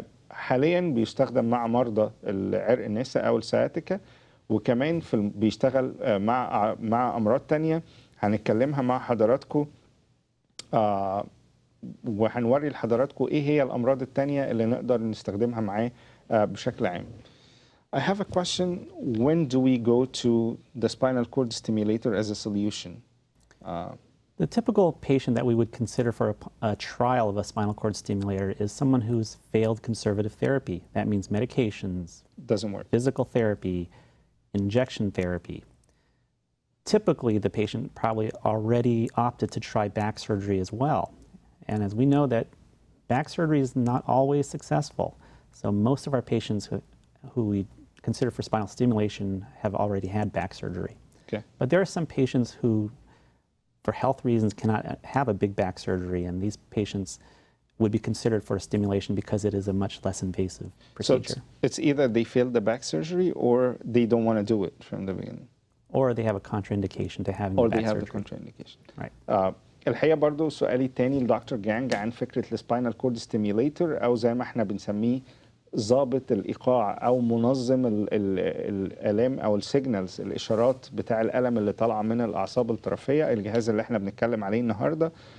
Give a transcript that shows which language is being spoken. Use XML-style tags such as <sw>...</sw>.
<ar>حاليا بيستخدم مع مرضى العرق النسا او السياتيكا، وكمان بيشتغل مع امراض تانية هنتكلمها مع حضراتكم، وهنوري لحضراتكم ايه هي الامراض التانية اللي نقدر نستخدمها معاه بشكل عام.</ar> <en>I have a question. When do we go to the spinal cord stimulator as a solution? The typical patient that we would consider for a trial of a spinal cord stimulator is someone who's failed conservative therapy. That means medications. Doesn't work. Physical therapy, injection therapy. Typically, the patient probably already opted to try back surgery as well. And as we know that back surgery is not always successful. So most of our patients who we consider for spinal stimulation have already had back surgery. Okay. But there are some patients who for health reasons cannot have a big back surgery, and these patients would be considered for a stimulation because it is a much less invasive procedure. So it's either they failed the back surgery or they don't want to do it from the beginning. Or they have a contraindication to having back surgery. Or they have a contraindication. Right.</en> <ar>الحقيقة برضو سؤالي تاني لدكتور جانج عن فكرة السبينال كورد ستيميليتور أو زي ما احنا بنسميه ضابط الإيقاع أو منظم الآلام أو السيجنالز الإشارات بتاع الألم اللي طالعة من الأعصاب الطرفية، الجهاز اللي احنا بنتكلم عليه النهاردة.</ar>